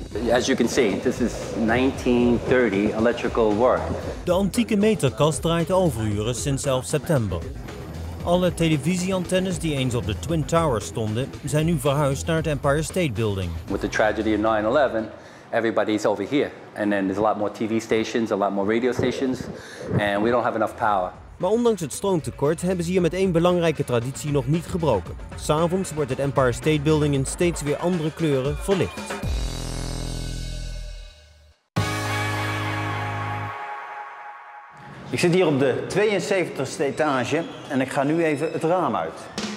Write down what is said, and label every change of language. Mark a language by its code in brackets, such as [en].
[en] As you can see, this is 1930 electrical work. [nl] De antieke meterkast draait overuren sinds 11 september. Alle televisieantennes die eens op de Twin Towers stonden, zijn nu verhuisd naar het Empire State Building. [en] With the tragedy of 9/11, everybody's over here. And then there's a lot more TV stations, a lot more radio stations, and we don't have enough power. [nl] Maar ondanks het stroomtekort hebben ze hier met één belangrijke traditie nog niet gebroken. 'S Avonds wordt het Empire State Building in steeds weer andere kleuren verlicht. Ik zit hier op de 72e etage en ik ga nu even het raam uit.